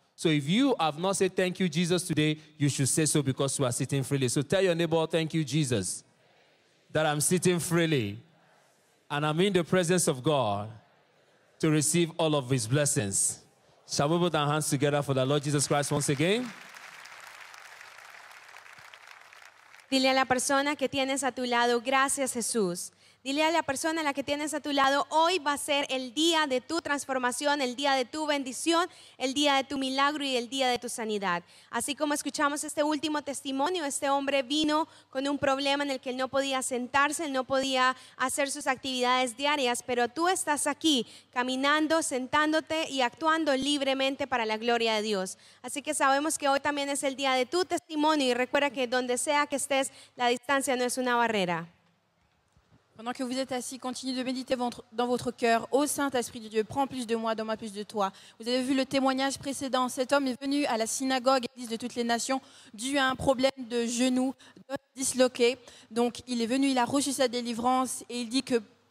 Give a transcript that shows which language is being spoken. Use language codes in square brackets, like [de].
[en] So if you have not said thank you, Jesus, today, you should say so because you are sitting freely. So tell your neighbor, thank you, Jesus, that I'm sitting freely and I'm in the presence of God to receive all of his blessings. Shall we put our hands together for the Lord Jesus Christ once again? [es] Dile a la persona que tienes a tu lado, gracias, Jesús. Dile a la persona a la que tienes a tu lado, hoy va a ser el día de tu transformación, el día de tu bendición, el día de tu milagro y el día de tu sanidad. Así como escuchamos este último testimonio, este hombre vino con un problema en el que él no podía sentarse, él no podía hacer sus actividades diarias, pero tú estás aquí caminando, sentándote y actuando libremente para la gloria de Dios. Así que sabemos que hoy también es el día de tu testimonio y recuerda que donde sea que estés, la distancia no es una barrera. [fr] Pendant que vous êtes assis, continuez de méditer dans votre cœur. Ô Saint-Esprit de Dieu, prends plus de moi, donne-moi plus de toi. Vous avez vu le témoignage précédent. Cet homme est venu à la synagogue, Église de toutes les nations, dû à un problème de genou disloqué. Donc il est venu, il a reçu sa délivrance et il dit que